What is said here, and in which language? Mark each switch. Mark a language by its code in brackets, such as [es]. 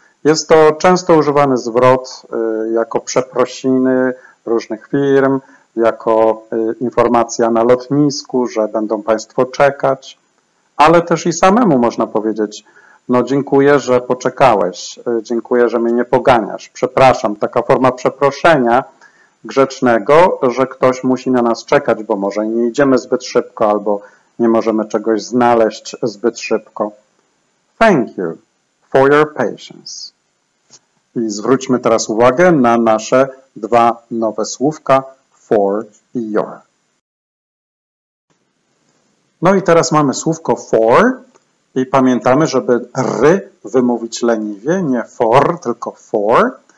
[pl] Jest to często używany zwrot jako przeprosiny różnych firm, jako informacja na lotnisku, że będą Państwo czekać, ale też i samemu można powiedzieć, no dziękuję, że poczekałeś, dziękuję, że mnie nie poganiasz, przepraszam. Taka forma przeproszenia grzecznego, że ktoś musi na nas czekać, bo może nie idziemy zbyt szybko albo nie możemy czegoś znaleźć zbyt szybko. [en] Thank you for your patience. [pl] I zwróćmy teraz uwagę na nasze dwa nowe słówka for i your. No i teraz mamy słówko for i pamiętamy, żeby r wymówić leniwie, nie for, tylko for.